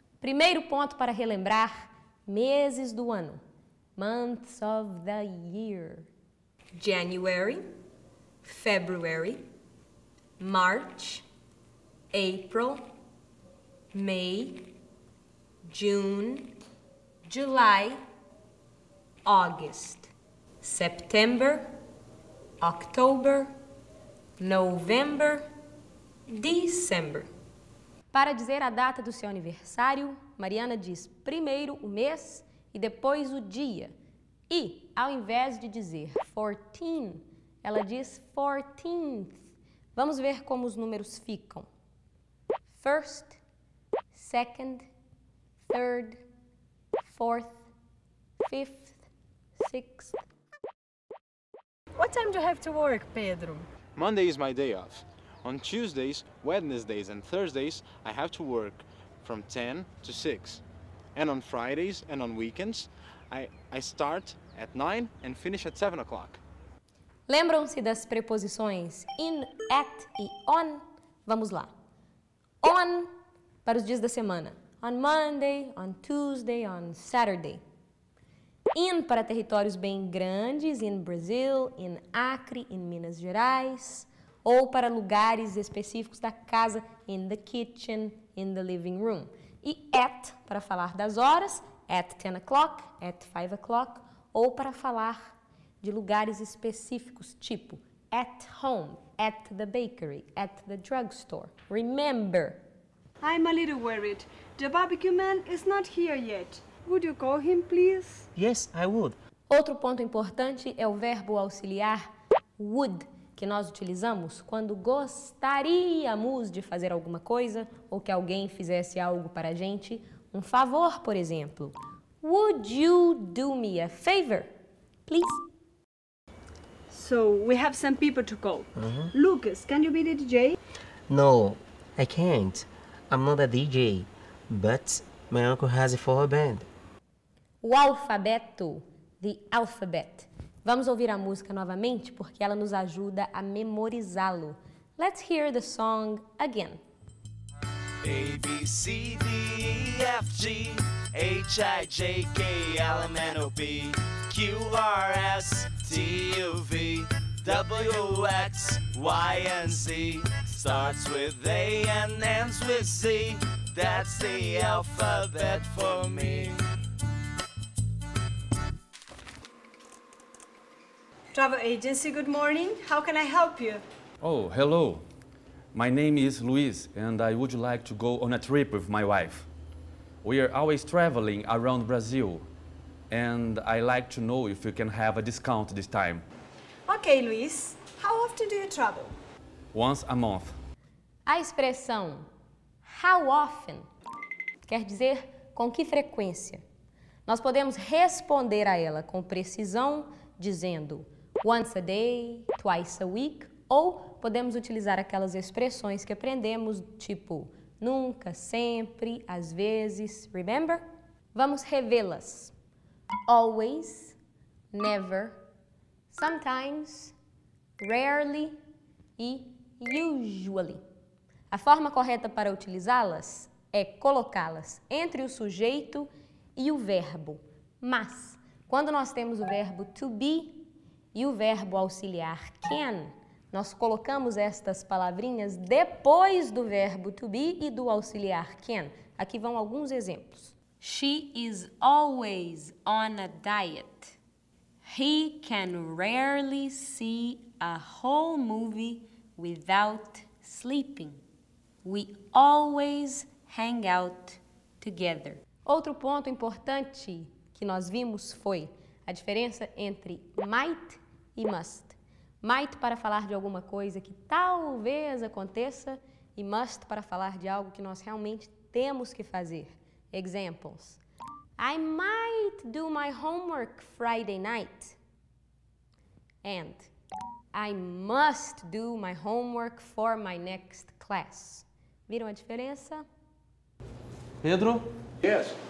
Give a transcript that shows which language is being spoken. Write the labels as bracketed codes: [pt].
[pt] Primeiro ponto para relembrar, meses do ano. [en] Months of the year. January, February, March, April, May, June, July, August, September, October, November, December. [pt] Para dizer a data do seu aniversário, Mariana diz primeiro o mês e depois o dia. E, ao invés de dizer 14, ela diz 14th. Vamos ver como os números ficam. [en] First, second, third, fourth, fifth, sixth. What time do you have to work, Pedro? Monday is my day off. On Tuesdays, Wednesdays and Thursdays, I have to work from 10 to 6. And on Fridays and on weekends, I start at 9 and finish at 7 o'clock. [pt] Lembram-se das preposições in, at e on? Vamos lá. On para os dias da semana. [en] On Monday, on Tuesday, on Saturday. [pt] In para territórios bem grandes, [en] in Brazil, in Acre, in Minas Gerais. [pt] Ou para lugares específicos da casa, [en] in the kitchen, in the living room. [pt] E at para falar das horas, [en] at 10 o'clock, at 5 o'clock. [pt] Ou para falar de lugares específicos, tipo [en] at home, at the bakery, at the drugstore. Remember! I'm a little worried. The barbecue man is not here yet. Would you call him, please? Yes, I would. [pt] Outro ponto importante é o verbo auxiliar would, que nós utilizamos quando gostaríamos de fazer alguma coisa ou que alguém fizesse algo para a gente. Um favor, por exemplo. [en] Would you do me a favor, please? So, we have some people to call. Lucas, can you be the DJ? No, I can't. I'm not a DJ, but my uncle has a forró band. [pt] O alfabeto, [en] the alphabet. [pt] Vamos ouvir a música novamente porque ela nos ajuda a memorizá-lo. [en] Let's hear the song again. A, B, C, D, E, F, G, H, I, J, K, L, M, N, O, P, Q, R, S, T, U, V, W, X, Y, and Z. Starts with A and ends with Z. That's the alphabet for me. Travel agency, good morning. How can I help you? Oh, hello. My name is Luis, and I would like to go on a trip with my wife. We are always traveling around Brazil, and I like to know if you can have a discount this time. Okay, Luis. How often do you travel? Once a month. [pt] A expressão how often quer dizer com que frequência. Nós podemos responder a ela com precisão dizendo [en] once a day, twice a week, [pt] ou podemos utilizar aquelas expressões que aprendemos, tipo nunca, sempre, às vezes, [en] remember? [pt] Vamos revê-las. [en] Always, never, sometimes, rarely e usually. [pt] A forma correta para utilizá-las é colocá-las entre o sujeito e o verbo. Mas, quando nós temos o verbo to be e o verbo auxiliar can, nós colocamos estas palavrinhas depois do verbo to be e do auxiliar can. Aqui vão alguns exemplos. [en] She is always on a diet. He can rarely see a whole movie without sleeping. We always hang out together. [pt] Outro ponto importante que nós vimos foi a diferença entre might e must. Might para falar de alguma coisa que talvez aconteça e must para falar de algo que nós realmente temos que fazer. [en] Examples. I might do my homework Friday night. And I must do my homework for my next class. [pt] Viram a diferença? Pedro? [en] Yes?